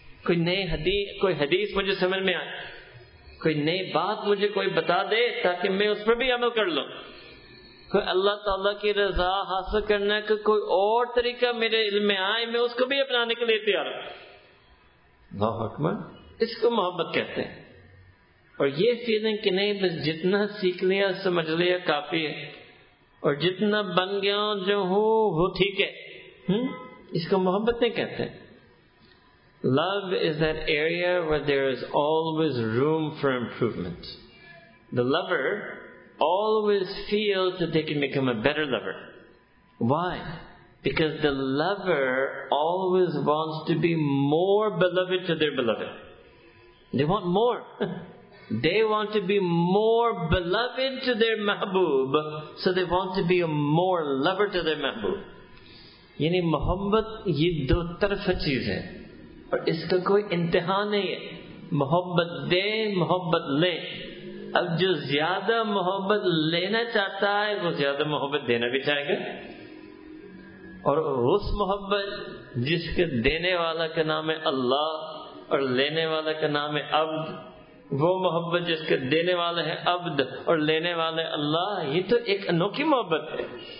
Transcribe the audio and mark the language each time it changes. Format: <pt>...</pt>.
<ur>کوئی نئے حدیث کوئی حدیث مجھے سمجھ میں آئے, کوئی نئی بات مجھے کوئی بتا دے تاکہ میں اس پر بھی عمل کر لوں, کوئی اللہ تعالیٰ کی رضا حاصل کرنا کا کوئی اور طریقہ میرے علم میں آئے, میں اس کو بھی اپنانے کے لیے تیار ہوں. اللہ اکبر, اس کو محبت کہتے ہیں. اور یہ فیلنگ کہ نہیں بس جتنا سیکھ لیا سمجھ لیا کافی ہے, اور جتنا بن گیا جو ہوں وہ ٹھیک ہے, اس کو محبت نہیں کہتے.</ur> <en>Love is that area where there is always room for improvement. The lover always feels that they can become a better lover. Why? Because the lover always wants to be more beloved to their beloved. They want more. They want to be more beloved to their mahbub, so they want to be a more lover to their mahbub.</en> <ur>Yani muhabbat ye do tarafa cheez hai. اور اس کا کوئی انتہا نہیں ہے. محبت دے محبت لے, اب جو زیادہ محبت لینا چاہتا ہے وہ زیادہ محبت دینا بھی چاہے گا, اور اس محبت جس کے دینے والا کا نام ہے اللہ اور لینے والا کا نام ہے عبد, وہ محبت جس کے دینے والا ہے عبد اور لینے والا ہے اللہ, یہ تو ایک انوکھی محبت ہے.</ur>